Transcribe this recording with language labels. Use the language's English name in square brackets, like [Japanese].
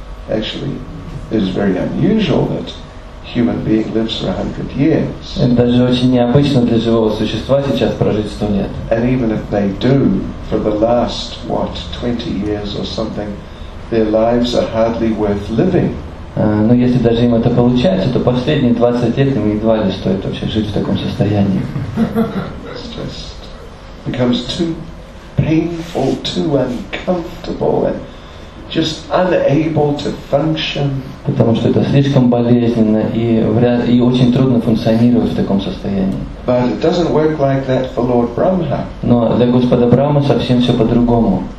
[English] Actually, it is very unusual that human being lives for 100 years. [Russian] Это даже очень необычно для живого существа сейчас прожить 100 лет. [English] And even if they do, for the last, 20 years or something, their lives are hardly worth living. [Russian] Но если даже им это получается, то последние 20 лет им едва ли стоит вообще жить в таком состоянии. [English] It's just becomes too painful, too uncomfortable, and just unable to function. [Russian] Потому что это слишком болезненно и очень трудно функционировать в таком состоянии. [English] But it doesn't work like that for Lord Brahma. [Russian] Но для Господа Брахмы совсем все по-другому.